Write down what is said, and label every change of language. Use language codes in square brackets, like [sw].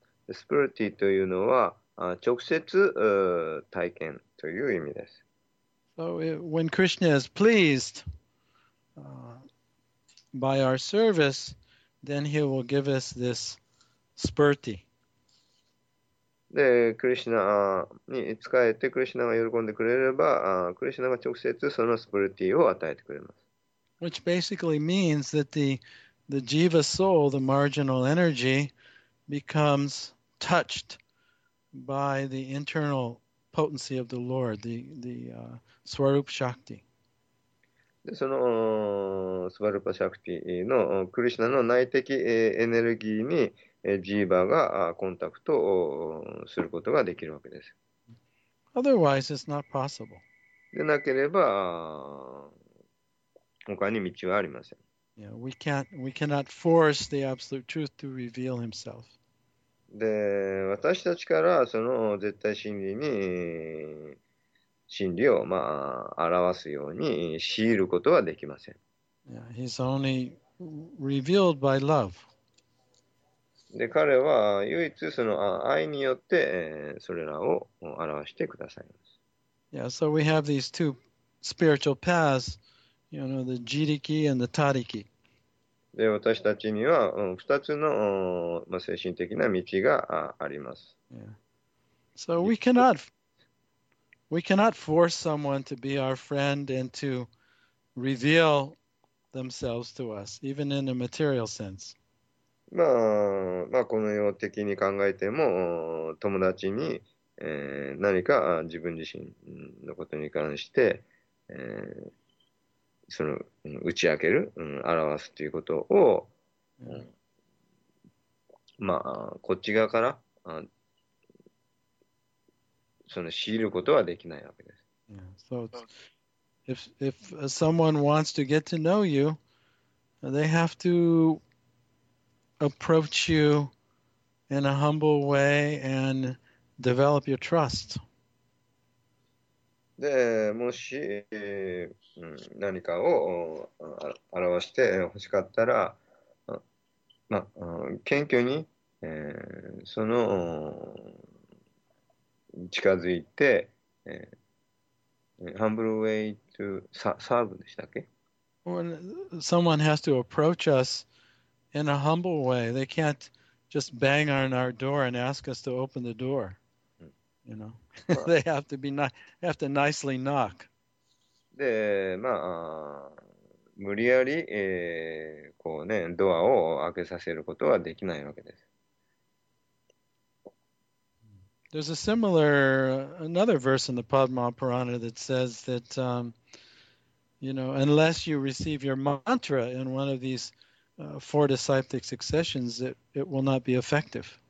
[ja] Spurti というのは、直接、体験という意味です。 [en] So when Krishna is pleased by our service, then he will give us this spurti. [ja] で、クリシナに仕えて、クリシナが喜んでくれれば、クリシナが直接そのスプリティを与えてくれます。 [en] Which basically means that the jiva soul, the marginal energy, becomes touched by the internal potency of the Lord, the Swarupa Shakti. [ja] で、そのスワルパシャクティのクリシナの内的エネルギーにジーバがコンタクトをすることができるわけです。 [en] Otherwise, it's not possible. [ja] でなければ、他に道はありません。 [en] Yeah, we can't, we cannot force the absolute truth to reveal himself. [ja] で、私たちからその絶対真理に真理をまあ表すように強いることはできません。 [en] Yeah, he's only revealed by love. [ja] で、彼は唯一その愛によってそれらを表してくださいます。 [en] Yeah, so we have these two spiritual paths, you know, the jiriki and the tariki. [ja] で、私たちには二つの精神的な道があります。 [en] Yeah. So we cannot... We cannot force someone to be our friend and to reveal themselves to us, even in a material sense. [ja] まあ、まあ、この世的に考えても、友達に、何か自分自身のことに関して、その打ち明ける、表すということを、まあ、こっち側から、その知ることはできないわけです。 [en] Yeah. So if someone wants to get to know you, they have to approach you in a humble way and develop your trust. [ja] で、もし、何かを表して欲しかったら、ま、謙虚に、その近づいて、 [en] humble way to serve [ja] でしたっけ? [en] When someone has to approach us in a humble way, they can't just bang on our door and ask us to open the door. You know, they have to be have to nicely knock. [ja] で、まあ、無理やり、こうね、ドアを開けさせることはできないわけです。 [en] There's a similar, another verse in the Padma Purana that says that, you know, unless you receive your mantra in one of these four disciplic successions, it will not be effective.